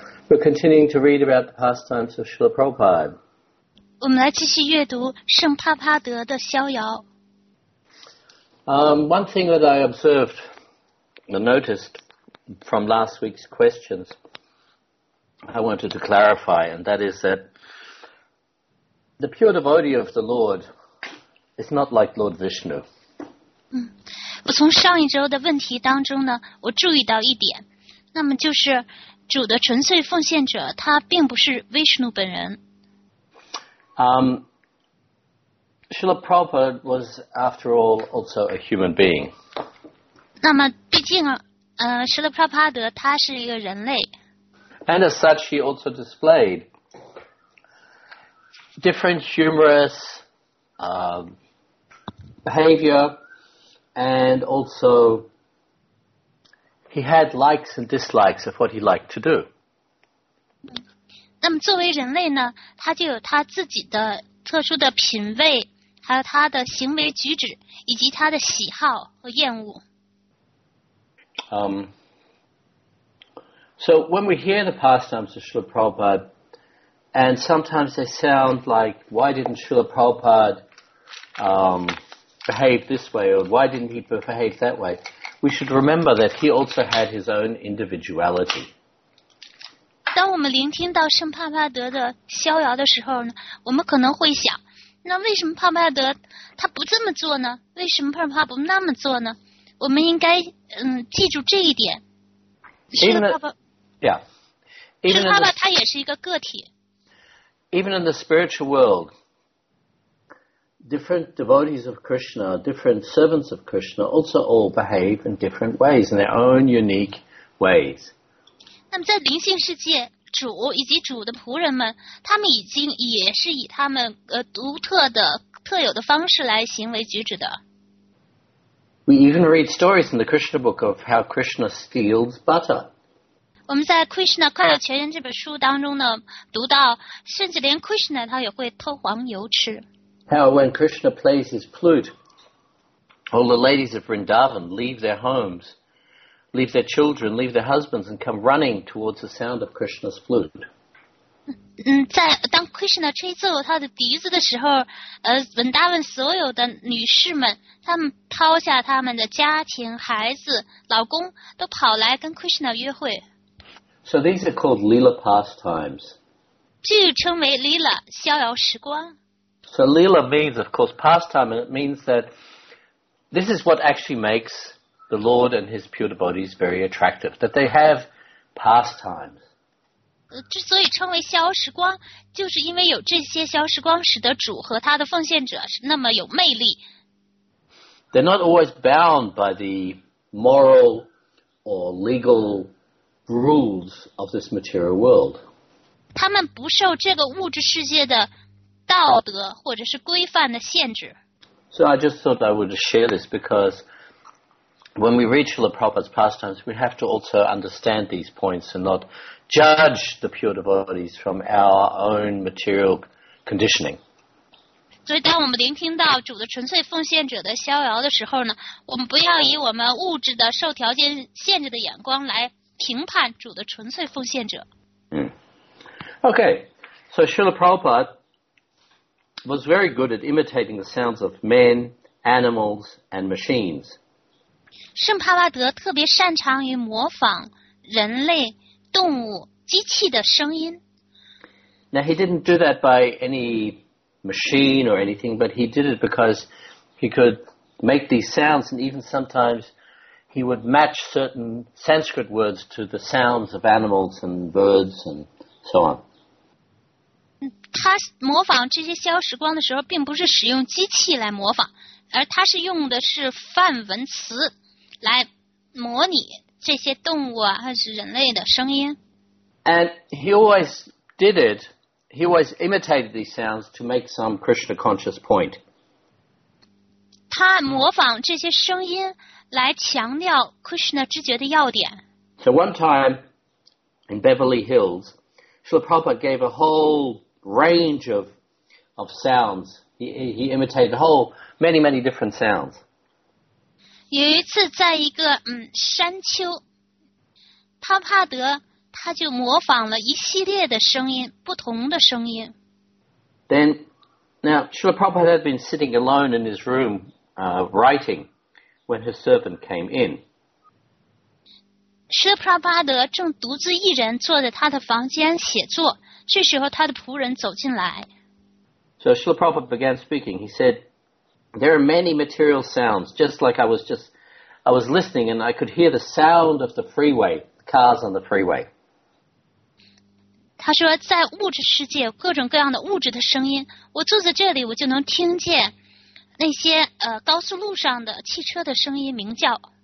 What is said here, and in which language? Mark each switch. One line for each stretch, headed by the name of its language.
English: We're continuing to read about the pastimes of Srila Prabhupada.
Chinese: 我们来继续阅读圣帕帕德的逍遥。
English: One thing that I observed and noticed from last week's questions I wanted to clarify, and that is that the pure devotee of the Lord is not like Lord Vishnu.
Chinese: 我从上一周的问题当中呢，我注意到一点，那么就是主的纯粹奉献者他并不是 Vishnu 本人。
English: Srila Prabhupada was, after all, also a human being.
Chinese: 那么毕竟Srila Prabhupada 他是一个人类。
English: And as such, he also displayed different humorous behavior, and also he had likes and dislikes of what he liked to do.
Chinese: 那么作为人类呢，他就有他自己的特殊的品味，还有他的行为举止，以及他的喜好和厌恶。
English: So when we hear the pastimes of Srila Prabhupada, and sometimes they sound like, why didn't Srila Prabhupada behave this way, or why didn't he behave that way, we should remember that he also had his own individuality.
Chinese: 当我们聆听到圣帕帕德的逍遥的时候呢，我们可能会想，那为什么帕帕德他不这么做呢？为什么帕帕不那么做呢？我们应该记住这一点。 Srila Prabhupada 他也是一个个体。
English: Even in the spiritual world, different devotees of Krishna, different servants of Krishna also all behave in different ways, in their own unique ways.
Chinese: 那么在灵性世界，主以及主的仆人们，他们已经也是以他们独特的特有的方式来行为举止的。
English: We even read stories in the Krishna book of how Krishna steals butter.
Chinese: 我们在 Krishna 快乐全言这本书当中呢，读到甚至连 Krishna 他也会偷黄油吃。
English: How when Krishna plays his flute, all the ladies of Vrindavan leave their homes, leave their children, leave their husbands, and come running towards the sound of Krishna's flute.
Chinese: 在当 Krishna 吹奏他的笛子的时候，Vrindavan 所有的女士们，她们抛下他们的家庭、孩子、老公，都跑来跟 Krishna 约会。
English: So these are called Leela pastimes.
Chinese: 这又称为 Leela 逍遥时光。
English: So Leela means, of course, pastime, and it means that this is what actually makes the Lord and his pure devotees very attractive, that they have pastimes.
Chinese: 之所以称为逍遥时光，就是因为有这些逍遥时光使得主和他的奉献者那么有魅力。
English: They're not always bound by the moral or legal rules of this material world.
Chinese: 他们不受这个物质世界的道德或者是规范的限制。
English: So I just thought I would share this because when we reach the proper pastimes, we have to also understand these points and not judge the pure devotees from our own material conditioning.
Chinese: 所以当我们聆听到主的纯粹奉献者的逍遥的时候呢，我们不要以我们物质的受条件限制的眼光来评判主的纯粹奉献者。
English: Okay, so Srila Prabhupada was very good at imitating the sounds of men, animals, and machines.
Chinese: 圣帕帕德特别擅长于模仿人类、动物、机器的声音。
English: Now, he didn't do that by any machine or anything, but he did it because he could make these sounds, and even sometimes he would match certain Sanskrit words to the sounds of animals and birds and so on.
Chinese: 他模仿这些逍遥时光的时候并不是使用机器来模仿，而他是用的是梵文词来模拟这些动物啊还是人类的声音。
English: And he always did it, he always imitated these sounds to make some Krishna conscious point.
Chinese: 他模仿这些声音来强调 Krishna 知觉的要点。
English: So one time in Beverly Hills, Srila Prabhupada gave a whole range of sounds. He imitated a whole many, many different sounds.
Chinese: 有一次在一个山丘，帕帕德他就模仿了一系列的声音，不同的声音。
English: Then, now, Srila Prabhupada had been sitting alone in his room, writing, when his servant came in.
Chinese: Srila Prabhupada 正独自一人坐在他的房间写作，这时候他的仆人走进来。
English: So Srila Prabhupada began speaking. He said, there are many material sounds, just like I was listening and I could hear the sound of the freeway, the cars on the freeway.
Chinese: 他说在物质世界有各种各样的物质的声音，我坐在这里我就能听见那些高速路上的汽车的声音鸣叫。